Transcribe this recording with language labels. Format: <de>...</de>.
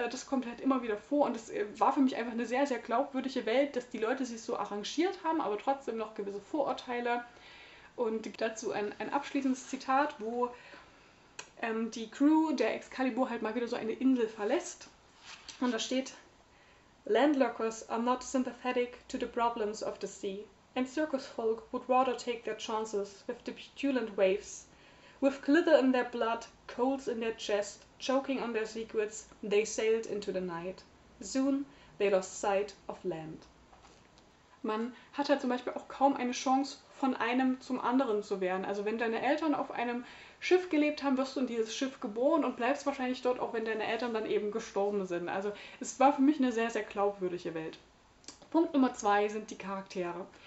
<de>Das kommt halt immer wieder vor, und das war für mich einfach eine sehr, sehr glaubwürdige Welt, dass die Leute sich so arrangiert haben, aber trotzdem noch gewisse Vorurteile. Und dazu ein abschließendes Zitat, wo die Crew der Excalibur halt mal wieder so eine Insel verlässt. Und da steht:</de> <en>Landlockers are not sympathetic to the problems of the sea, and circus folk would rather take their chances with the petulant waves. With glitter in their blood, coals in their chest, choking on their secrets, they sailed into the night. Soon they lost sight of land.</en> <de>Man hat halt zum Beispiel auch kaum eine Chance, von einem zum anderen zu werden. Also wenn deine Eltern auf einem Schiff gelebt haben, wirst du in dieses Schiff geboren und bleibst wahrscheinlich dort, auch wenn deine Eltern dann eben gestorben sind. Also es war für mich eine sehr, sehr glaubwürdige Welt. Punkt Nummer zwei sind die Charaktere.</de>